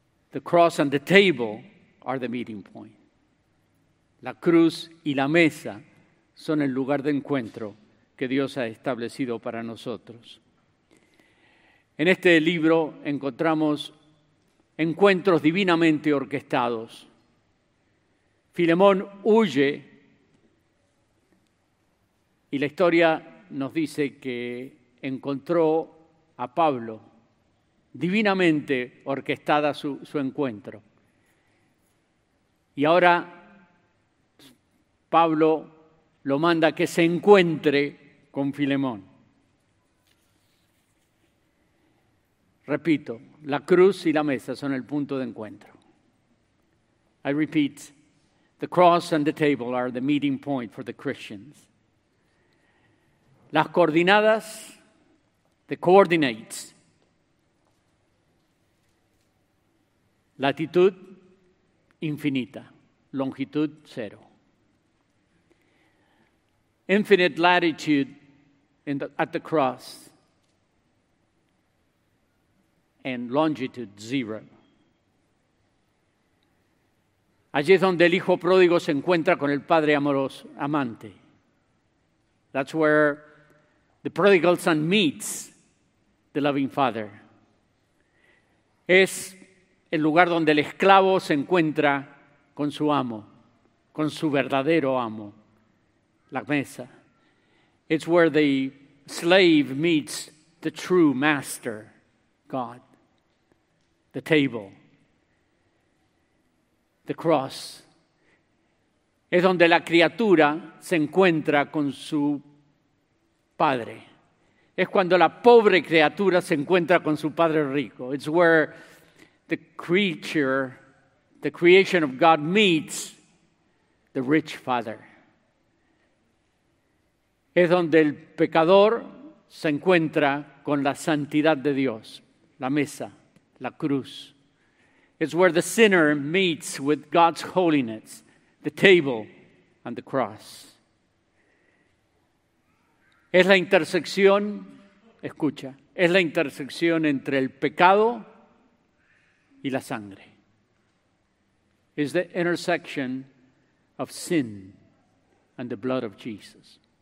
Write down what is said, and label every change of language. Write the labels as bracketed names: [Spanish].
[English] The cross and the table are the meeting point. [Spanish] La cruz y la mesa son el lugar de encuentro que Dios ha establecido para nosotros. En este libro encontramos encuentros divinamente orquestados. Filemón huye y la historia nos dice que encontró a Pablo, divinamente orquestada su encuentro. Y ahora Pablo lo manda que se encuentre con Filemón. Repito, la cruz y la mesa son el punto de encuentro. [English] I repeat, the cross and the table are the meeting point for the Christians. [Spanish] Las coordinadas, [English] the coordinates, [Spanish] latitud infinita, longitud cero. [English] Infinite latitude at the cross and longitude zero. [Spanish] Allí es donde el hijo pródigo se encuentra con el padre amoroso, amante. [English] That's where the prodigal son meets the loving father. [Spanish] Es el lugar donde el esclavo se encuentra con su amo, con su verdadero amo, la mesa. [English] It's where the slave meets the true master, God, the table, the cross. [Spanish] Es donde la criatura se encuentra con su padre. Es cuando la pobre criatura se encuentra con su padre rico. [English] It's where the creature, the creation of God meets the rich father. [Spanish] Es donde el pecador se encuentra con la santidad de Dios, la mesa, la cruz. [English] It's where the sinner meets with God's holiness, the table and the cross. [Spanish] Es la intersección, escucha, es la intersección entre el pecado y la sangre. [English] Is the intersection of sin and the blood of Jesus.